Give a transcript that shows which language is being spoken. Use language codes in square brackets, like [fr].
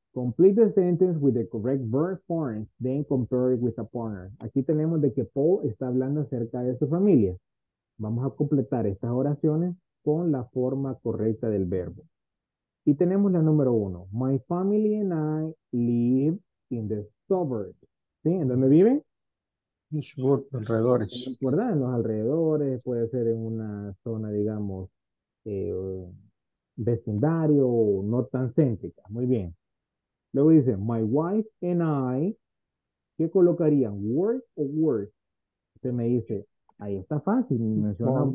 [en] Complete the sentence with the correct verb form, then compare it with a partner. [es] Aquí tenemos de que Paul está hablando acerca de su familia. Vamos a completar estas oraciones con la forma correcta del verbo. Y tenemos la número uno. [en] My family and I live in the suburbs. [es] ¿Sí? ¿En dónde vive? En suburbs, alrededores. ¿Verdad? En los alrededores, puede ser en una zona, digamos, vecindario o no tan céntrica. Muy bien. Luego dice, [en] my wife and I, [es] ¿qué colocarían? Work o work. Usted me dice, ahí está fácil, menciona no.